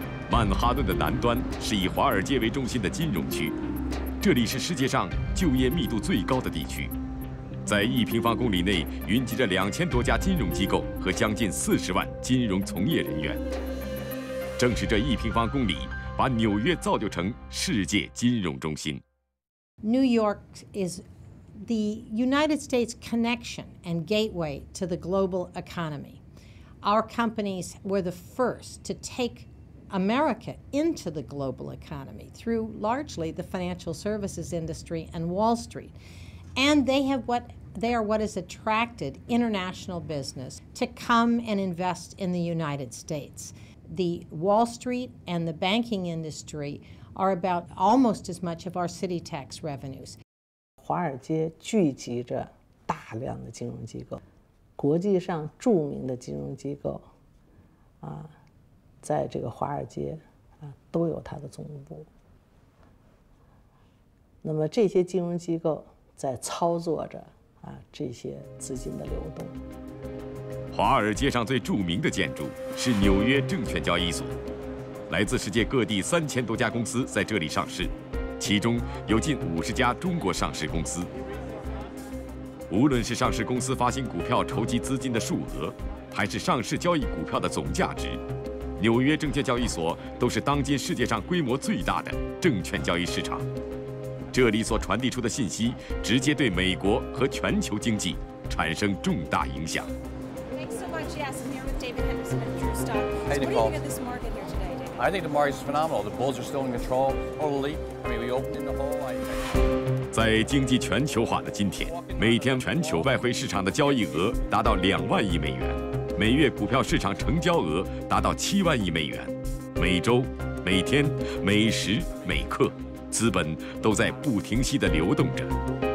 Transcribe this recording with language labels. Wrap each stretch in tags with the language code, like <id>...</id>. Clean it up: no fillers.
<zh>曼哈顿的南端是以华尔街为中心的金融区，这里是世界上就业密度最高的地区，在1平方公里内云集着2000多家金融机构和将近40万金融从业人员。正是这1平方公里，把纽约造就成世界金融中心。</zh> <en>New York is the United States connection and gateway to the global economy. Our companies were the first to take America into the global economy through largely the financial services industry and Wall Street. And they are what has attracted international business to come and invest in the United States. The Wall Street and the banking industryare about almost as much of our city tax revenues.</en> <zh>华尔街聚集着大量的金融机构，国际上著名的金融机构，在这个华尔街，都有它的总部。那么这些金融机构在操作着，这些资金的流动。华尔街上最著名的建筑是纽约证券交易所。来自世界各地3000多家公司在这里上市，其中有近50家中国上市公司。无论是上市公司发行股票筹集资金的数额，还是上市交易股票的总价值，纽约证券交易所都是当今世界上规模最大的证券交易市场。这里所传递出的信息直接对美国和全球经济产生重大影响。</zh> <en>Thanks so much. Yes, I'm here with David Henderson at True Stock. What do you think of this market here today? I think the market is phenomenal. The bulls are still in control, totally. I mean, we opened in the hole.</en> <zh>在经济全球化的今天，每天全球外汇市场的交易额达到2万亿美元，每月股票市场成交额达到7万亿美元，每周、每天、每时、每刻，资本都在不停息地流动着。</zh>